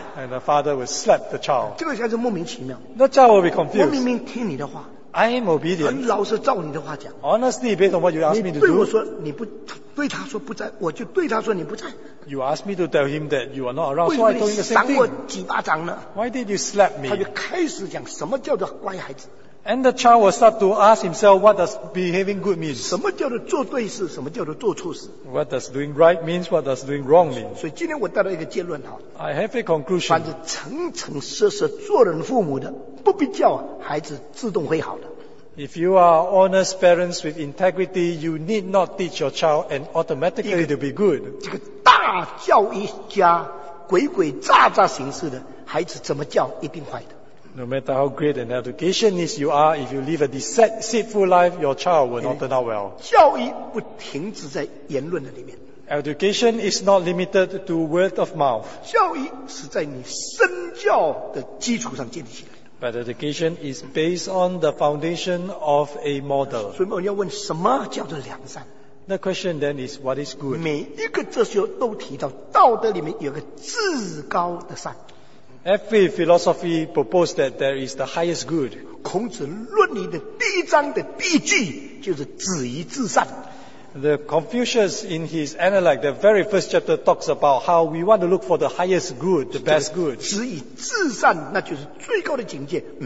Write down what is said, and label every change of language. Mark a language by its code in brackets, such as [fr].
[en] And the father would slap the child. [zh] 这个小孩子莫名其妙。 [en] The child will be confused. [zh] 我明明听你的话。 [en] I am obedient. [zh] 很老实照你的话讲。 [en] Honestly, based on what you asked me to do. [zh] 你对我说你不，对他说不在，我就对他说你不在。 [en] You asked me to tell him that you are not around, so I told him the same thing. [zh] 为什么你赏我几巴掌呢？ [en] Why did you slap me? [zh] 他就开始讲什么叫做乖孩子。 [en] And the child will start to ask himself what does behaving good means. [zh] 什么叫做做对事？什么叫做做错事？ [en] What does doing right means? What does doing wrong mean? [zh] 所以今天我带来一个结论哈。 [en] I have a conclusion. [zh] 凡是诚诚实实做人父母的，不必叫孩子自动会好的。 [en] If you are honest parents with integrity, you need not teach your child and automatically to be good. [zh] 这个大教育家鬼鬼诈诈形式的孩子怎么教一定坏的。 [en] No matter how great an educationist you are, if you live a deceitful life, your child will not turn out well. [zh] 教育不停止在言论的里面。 [en] Education is not limited to word of mouth. [zh] 教育是在你身教的基础上建立起来。 [en] But education is based on the foundation of a model. [zh] 所以我们要问什么叫做良善。 [en] The question then is what is good? [zh] 每一个哲学都提到道德里面有个至高的善。 [en] Every philosophy proposed that there is the highest good. [zh] 孔子论语的第一章的第一句就是子怡至善。 [en] The Confucius in his Analect, the very first chapter, talks about how we want to look for the highest good, the best good. [zh] 至善, 那就是最高的境界,